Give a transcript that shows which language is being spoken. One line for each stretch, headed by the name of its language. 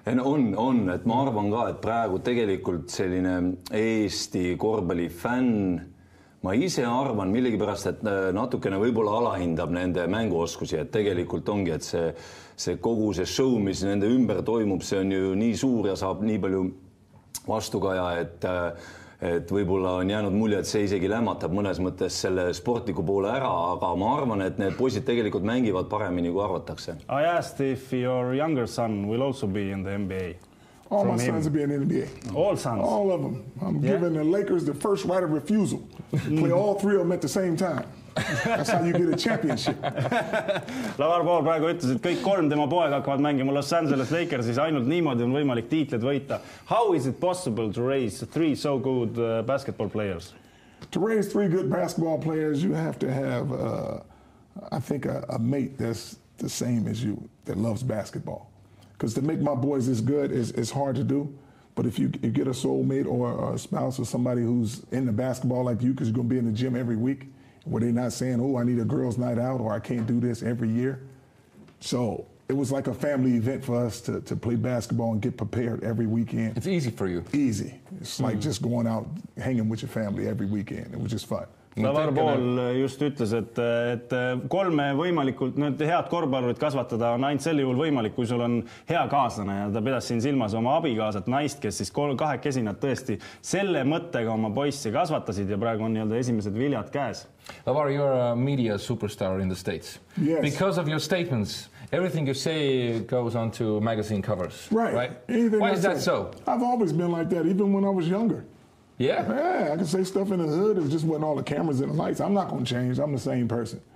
Estonian: No on, et ma arvan ka, et praegu tegelikult selline Eesti korvpalli fänn, ma ise arvan millegi pärast, et natukene võibolla alahindab nende mänguoskusi, et tegelikult ongi, et see kogu see show, mis nende ümber toimub, see on ju nii suur ja saab nii palju vastukaja, et võibolla on jäänud mulje, et see isegi lämmatab mõnes mõttes selle sportliku poole ära, aga ma arvan, et need poisid tegelikult mängivad paremini, kui arvatakse.
English: I asked if your younger son will also be in the NBA. All my sons will be in the NBA. All sons? All of them. I'm yeah? giving the Lakers the first right of refusal. Play all three of them at the same time. That's how you get a championship.
Estonian: Lavar Ball praegu ütles, et kõik kolm tema poega hakkavad mängima Los Angeles Lakers, siis ainult niimoodi on võimalik tiitled võita.
English: How is it possible to raise three so good basketball players? To raise three good basketball players, you have to have, I think, a mate that's the same as you, that loves basketball. Because to make my boys this good is hard to do. But if you get a soulmate or a spouse or somebody who's into basketball like you, because you're going to be in the gym every week, where they're not saying, oh, I need a girls' night out, or I can't do this every year. So it was like a family event for us to play basketball and get prepared every weekend. It's easy for you. Easy. It's like just going out, hanging with your family every weekend. It was just fun.
Estonian: Lavar Ball just ütles, et kolme võimalikult need head korvpallurid kasvatada on ainult sel juhul võimalik, kui sul on hea kaaslane ja ta pidas siin silmas oma abikaasat naist, kes siis kahekesinad tõesti selle mõttega oma poissi kasvatasid ja praegu on nii-öelda esimesed viljad käes.
English: Lavar, you're a media superstar in the States. Yes. Because of your statements, everything you say goes on to magazine covers. Right. Anything Why I is say, that so? I've always been like that, even when I was younger. Yeah, I can say stuff in the hood. It just wasn't all the cameras and the lights. I'm not going to change. I'm the same person.